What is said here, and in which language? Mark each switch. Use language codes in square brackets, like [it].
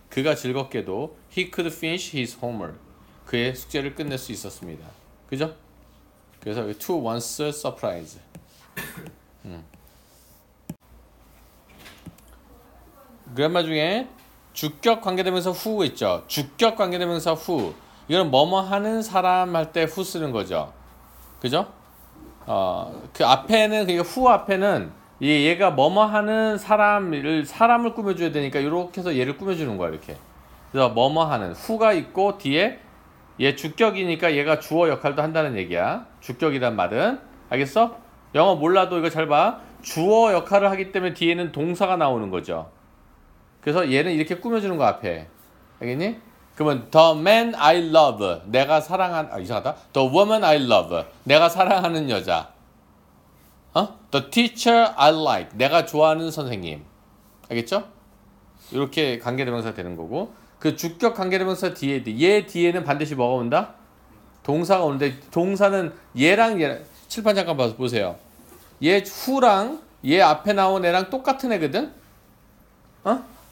[ko] 그가 즐겁게도 [en] he could finish his homework. [ko] 그의 숙제를 끝낼 수 있었습니다. 그죠? 그래서 [en] to once surprise. [ko] 그래머 중에 주격 관계대명사 후 있죠? 주격 관계대명사 후. 이건 뭐뭐 하는 사람 할 때 후 쓰는 거죠. 그죠? 그 앞에는 그 후 앞에는 이 얘가 뭐뭐 하는 사람을 꾸며 줘야 되니까 이렇게 해서 얘를 꾸며 주는 거야, 이렇게. 그래서 뭐뭐 하는 후가 있고 뒤에 얘 주격이니까 얘가 주어 역할도 한다는 얘기야. 주격이란 말은 알겠어? 영어 몰라도 이거 잘 봐. 주어 역할을 하기 때문에 뒤에는 동사가 나오는 거죠. 그래서 얘는 이렇게 꾸며 주는 거 앞에. 알겠니? 그러면 [en] The man I love, [ko] 내가 사랑한, 아 이상하다. [en] The woman I love, [ko] 내가 사랑하는 여자. 어? [en] The teacher I like, [ko] 내가 좋아하는 선생님. 알겠죠? 이렇게 관계대명사 되는 거고. 그 주격 관계대명사 뒤에, 얘 뒤에는 반드시 뭐가 온다? 동사가 오는데, 동사는 얘랑, 칠판 잠깐 봐서 보세요. 얘 후랑 얘 앞에 나온 애랑 똑같은 애거든? 어?